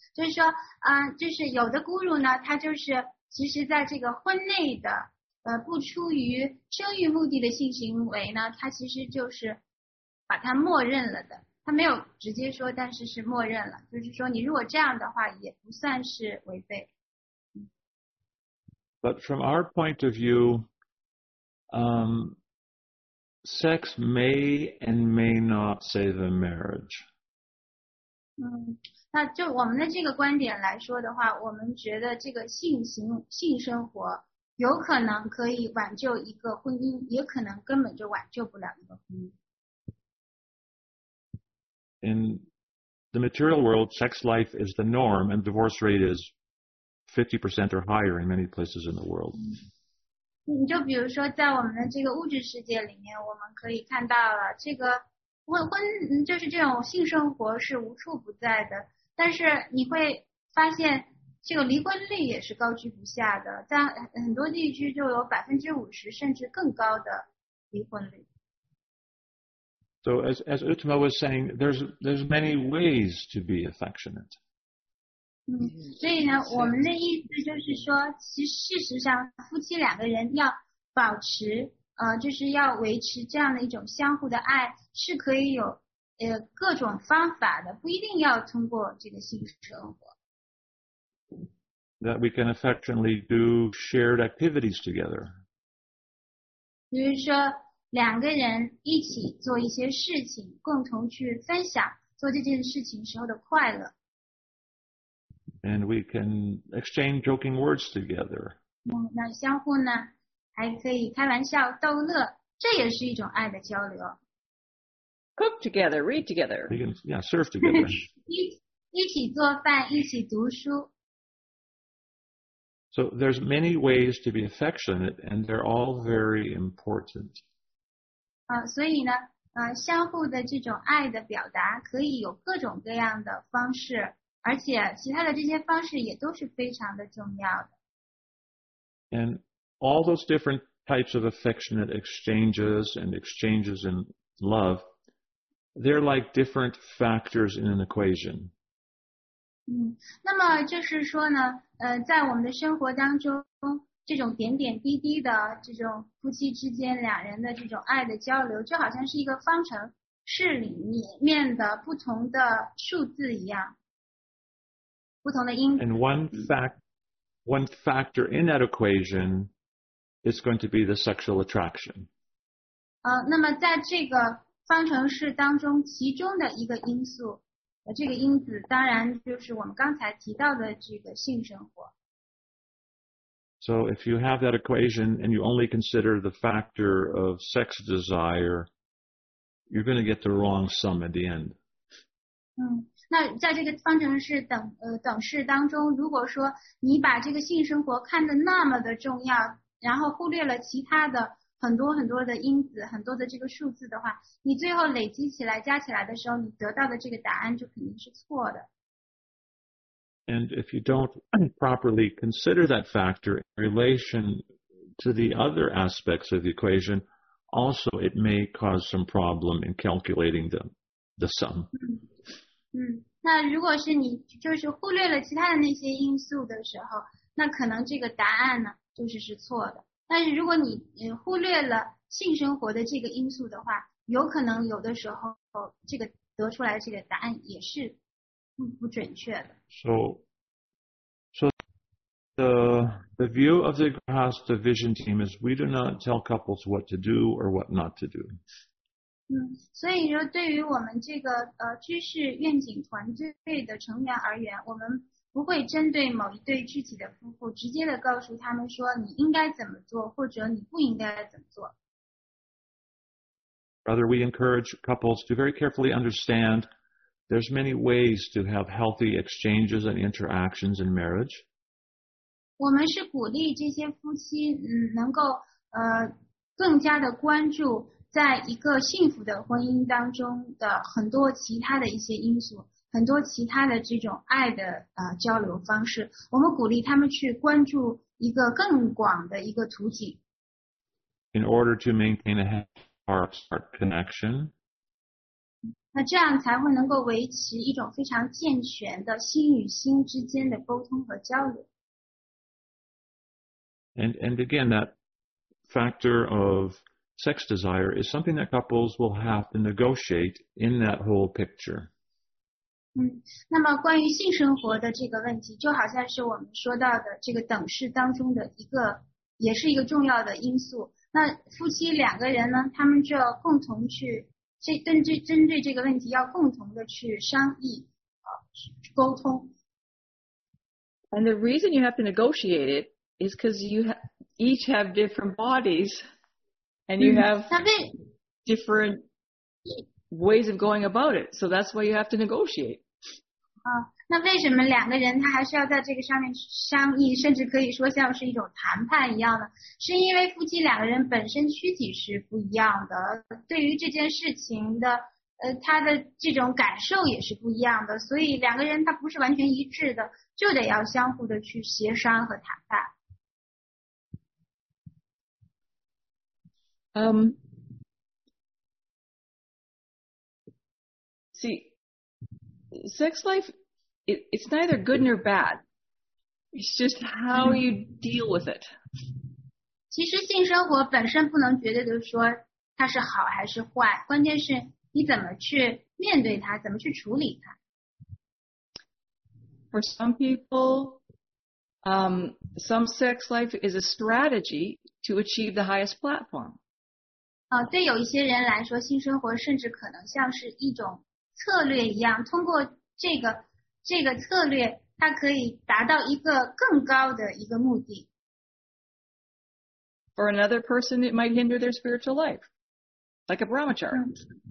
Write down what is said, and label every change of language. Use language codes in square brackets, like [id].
[zh] 就是说，就是有的 guru 呢，他就是其实在这个婚内的。不出于生育目的的性行为呢，他其实就是把它默认了的，他没有直接说，但是是默认了，就是说你如果这样的话也不算是违背。 [en] But from our point of view, sex may and may not save a marriage. [zh] 那就我们的这个观点来说的话，我们觉得这个性生活有可能可以挽救一个婚姻，也可能根本就挽救不了一个婚姻。 [en] In the material world, sex life is the norm, and divorce rate is 50% or higher in many places in the world. [zh] 你就比如说，在我们的这个物质世界里面，我们可以看到了这个婚，就是这种性生活是无处不在的。但是你会发现。这个离婚率也是高居不下的，在很多地区就有50%甚至更高的离婚率。 [en] So as Uttama was saying, there's many ways to be affectionate. [zh] 所以呢，我们的意思就是说，其实事实上，夫妻两个人要保持就是要维持这样的一种相互的爱，是可以有各种方法的，不一定要通过这个性生活。 [en] That we can affectionately do shared activities together. [zh] 比如说两个人一起做一些事情，共同去分享做这件事情时候的快乐。 [en] And we can exchange joking words together. [zh] 那相互呢，还可以开玩笑逗乐，这也是一种爱的交流。 [en] Cook together, read together. We can, yeah, serve together. [zh] 一起做饭，一起读书。 [en] So there's many ways to be affectionate, and they're all very important. [zh] 所以呢，相互的这种爱的表达可以有各种各样的方式，而且其他的这些方式也都是非常的重要的。 [en] And all those different types of affectionate exchanges and exchanges in love, they're like different factors in an equation. [zh] 那么就是说呢，在我们的生活当中，这种点点滴滴的这种夫妻之间两人的这种爱的交流，就好像是一个方程式里面的不同的数字一样，不同的因素。 [en] And one factor in that equation is going to be the sexual attraction. [zh] 那么在这个方程式当中，其中的一个因素。这个因子当然就是我们刚才提到的这个性生活。 [en] So if you have that equation and you only consider the factor of sex desire, you're going to get the wrong sum at the end. [zh] 那在这个方程式等式当中，如果说你把这个性生活看得那么的重要，然后忽略了其他的很多很多的因子，很多的这个数字的话，你最后累积起来加起来的时候，你得到的这个答案就肯定是错的。 [en] And if you don't properly consider that factor in relation to the other aspects of the equation, also it may cause some problem in calculating the sum. [zh] 那如果是你就是忽略了其他的那些因素的时候，那可能这个答案呢就是错的。但是如果你忽略了性生活的这个因素的话，有可能有的时候这个得出来这个答案也是不准确的。 [en] So the view of the Grass Division team is we do not tell couples what to do or what not to do. [zh] 所以说对于我们这个知识愿景团队的成员而言，我们不会针对某一对具体的夫妇直接的告诉他们说你应该怎么做或者你不应该怎么做。 [en] Rather, we encourage couples to very carefully understand there's many ways to have healthy exchanges and interactions in marriage. [zh] 我们是鼓励这些夫妻能够更加的关注在一个幸福的婚姻当中的很多其他的一些因素，很多其他的这种爱的交流方式，我们鼓励他们去关注一个更广的一个途径。 [en] In order to maintain a heart-heart connection, [zh] 那这样才会能够维持一种非常健全的心与心之间的沟通和交流。 [en] And again, that factor of sex desire is something that couples will have to negotiate in that whole picture. [zh] 那么关于性生活的这个问题，就好像是我们说到的这个等式当中的一个，也是一个重要的因素。那夫妻两个人呢，他们就要共同去，针对这个问题要共同的去商议，沟通。 [en] And the reason you have to negotiate it is because you each have different bodies and you have different ways of going about it, so that's why you have to negotiate. [zh] 那为什么两个人他还是要在这个上面商议，甚至可以说像是一种谈判一样的，是因为夫妻两个人本身躯体是不一样的，对于这件事情的他的这种感受也是不一样的，所以两个人他不是完全一致的，就得要相互的去协商和谈判。 [en] See, sex life, it's neither good nor bad. It's just how you deal with it. [zh] 其实性生活本身不能绝对的说它是好还是坏，关键是你怎么去面对它，怎么去处理它。 [en] For some people, some sex life is a strategy to achieve the highest platform. [zh] 对有一些人来说，性生活甚至可能像是一种策略一样，通过这个策略，它可以达到一个更高的一个目的。 [en] For another person, it might hinder their spiritual life, like a brahmachari.